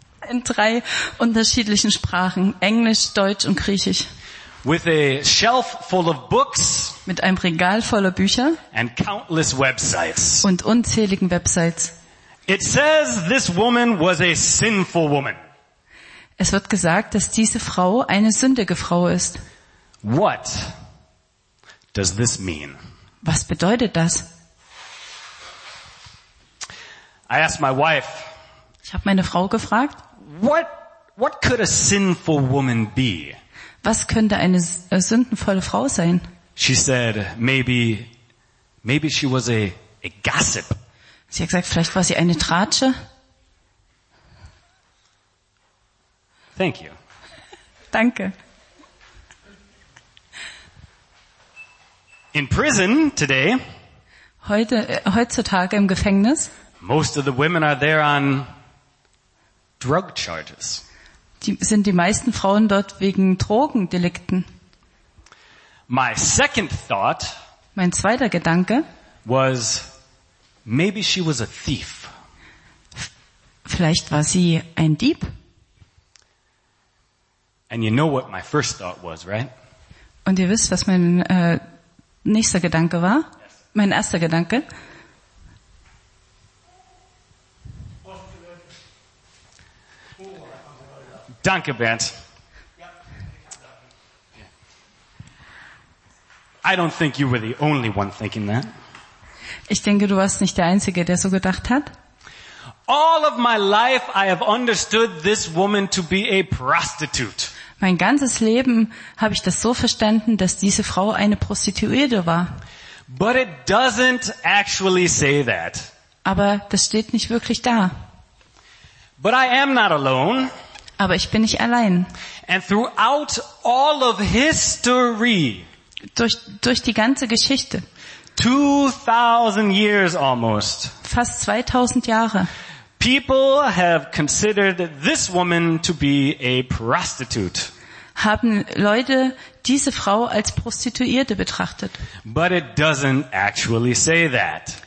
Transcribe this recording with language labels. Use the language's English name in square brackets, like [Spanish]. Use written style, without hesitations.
[German] In drei unterschiedlichen Sprachen, Englisch, Deutsch und Griechisch. [English] With a shelf full of books. [German] Mit einem Regal voller Bücher. [English] And countless websites. [German] Und unzähligen Websites. [English] It says this woman was a sinful woman. [German] Es wird gesagt, dass diese Frau eine sündige Frau ist. [English] What does this mean? [German] Was bedeutet das? [English] I asked my wife. [German] Ich habe meine Frau gefragt. [English] What could a sinful woman be? [German] Was könnte eine sündenvolle Frau sein? [English] She said maybe she was a gossip. [German] Sie hat gesagt, vielleicht war sie eine Tratsche. [English] Thank you. [German] Danke. [English] In prison today. [German] Heutzutage im Gefängnis. [English] Most of the women are there on drug charges. [German] Die sind die meisten Frauen dort wegen Drogendelikten. [English] My second thought, [German] mein zweiter Gedanke, [English] was maybe she was a thief. [German] Vielleicht war sie ein Dieb. [English] And you know what my first thought was, right? [German] Und ihr wisst, was mein nächster Gedanke war? Yes. Mein erster Gedanke. Danke, Bernd. [English] I don't think you were the only one thinking that. [German] Ich denke, du warst nicht der Einzige, der so gedacht hat. [English] All of my life I have understood this woman to be a prostitute. [German] Mein ganzes Leben habe ich das so verstanden, dass diese Frau eine Prostituierte war. [English] But it doesn't actually say that. [German] Aber das steht nicht wirklich da. [English] But I am not alone. [German] Aber ich bin nicht allein. [English] And throughout all of history, [German] durch die ganze Geschichte, [English] 2000 years almost, [German] fast 2000 Jahre, [English] people have considered this woman to be a prostitute. [German] Haben Leute diese Frau als Prostituierte betrachtet. [English] But it doesn't actually say that.